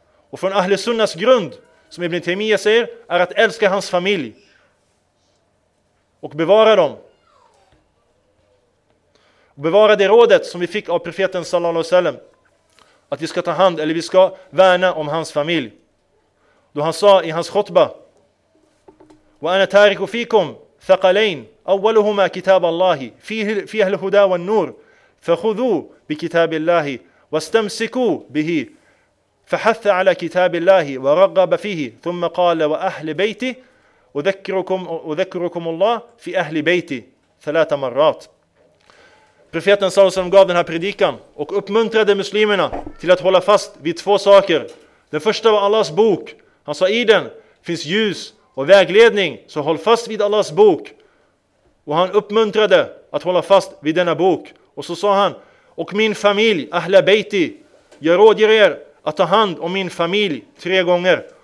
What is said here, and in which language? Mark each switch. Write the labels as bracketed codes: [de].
[sv] Och från Ahle Sunnas grund, som Ibn Taymiyyah säger, är att älska hans familj. Och bevara dem. Och bevara det rådet som vi fick av profeten sallallahu alaihi wasallam. Att vi ska ta hand, eller vi ska värna om hans familj. Då han sa i hans khutba, [ar] وَأَنَا تَارِكُ فِيكُمْ ثَقَلَيْنِ أَوَّلُهُمَا كِتَابَ اللَّهِ فِي أَهْلِ الْهُدَى وَالنُّورِ فَخُذُوا بِكِتَابِ اللَّهِ وَاسْتَمْسِكُوا بِهِ فَحَثَّ عَلَى كِتَابِ اللَّهِ وَرَغَّبَ فِيهِ ثُمَّ قَالَ وَأَهْلِ بَيْتِي أُذَكِّرُكُمُ اللَّهِ فِي أَهْلِ بَيْتِي ثَلَاثَ مَرَّاتٍ. [sv] Profeten Salomon gav den här predikan och uppmuntrade muslimerna till att hålla fast vid två saker. Den första var Allahs bok. Han sa, i den finns ljus och vägledning, så håll fast vid Allahs bok. Och han uppmuntrade att hålla fast vid denna bok. Och så sa han, och min familj, Ahla Beiti, jag råder er att ta hand om min familj tre gånger.